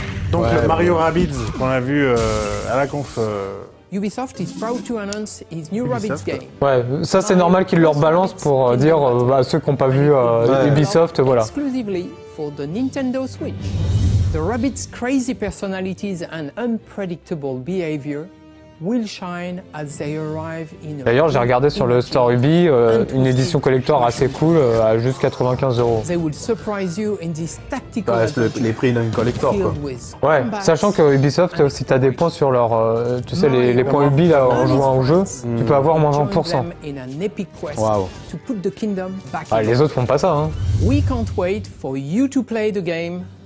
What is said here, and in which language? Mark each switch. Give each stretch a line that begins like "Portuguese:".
French: Donc ouais, le Mario Rabbids qu'on a vu à la conf...
English: Ubisoft is proud to announce his new Rabbids game.
French: Ouais, ça c'est normal qu'ils leur balancent pour dire à ceux qui n'ont pas vu Ubisoft, voilà.
English: Exclusively for the Nintendo Switch. The Rabbids' crazy personalities and unpredictable behavior will shine as they arrive in.
French: D'ailleurs, j'ai regardé sur le store Ubi une édition collector assez cool à juste 95€.
English: They will surprise you in this tactical.
French: Bah, c'est les prix d'un collector quoi. Ouais, sachant que Ubisoft, si t'as des points sur leur, tu sais, les points Ubi là en jouant au jeu, tu peux avoir moins 20%. Waouh. Wow. Ah, les autres font pas ça. Hein.
English: We can't wait for you to play the game.